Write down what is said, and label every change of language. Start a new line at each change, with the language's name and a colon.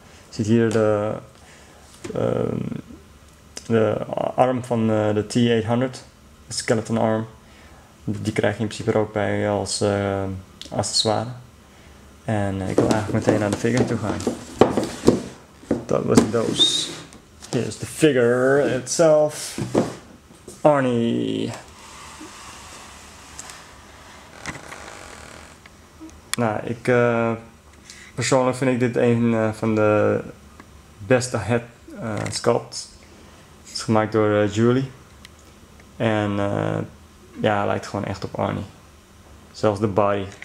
Dutch: Ziet hier de arm van de T-800, de skeleton arm. Die krijg je in principe ook bij als accessoire. En ik wil eigenlijk meteen naar de figure toe gaan. Dat was de doos.
English: Here's the figure itself, Arnie.
Dutch: Nou, ik persoonlijk vind ik dit een van de beste head sculpts. Het is gemaakt door Julie. En ja, hij lijkt gewoon echt op Arnie. Zelfs de body.